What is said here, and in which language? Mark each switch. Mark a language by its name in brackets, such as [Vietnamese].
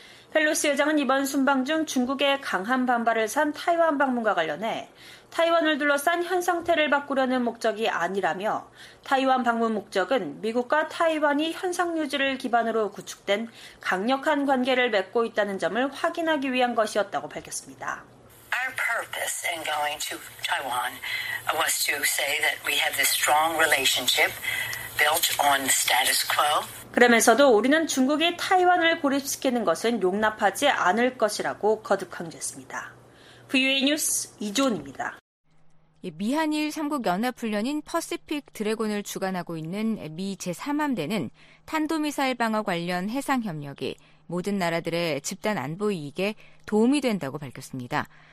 [Korean] 펠로시 의장은 이번 순방 중 중국의 강한 반발을 산 타이완 방문과 관련해 타이완을 둘러싼 현 상태를 바꾸려는 목적이 아니라며 타이완 방문 목적은 미국과 타이완이 현상 유지를 기반으로 구축된 강력한 관계를 맺고 있다는 점을 확인하기 위한 것이었다고 밝혔습니다. [English] Our purpose in going to Taiwan was to say that we have this strong relationship built on the status quo. [Korean] 그러면서도 우리는 중국이 타이완을 고립시키는 것은 용납하지 않을 것이라고 거듭 강조했습니다. VOA 뉴스 이조은입니다. 미한일 3국 연합훈련인 퍼시픽 드래곤을 주관하고 있는 미 제3함대는 탄도미사일 방어 관련 해상 협력이 모든 나라들의 집단 안보 이익에 도움이 된다고 밝혔습니다.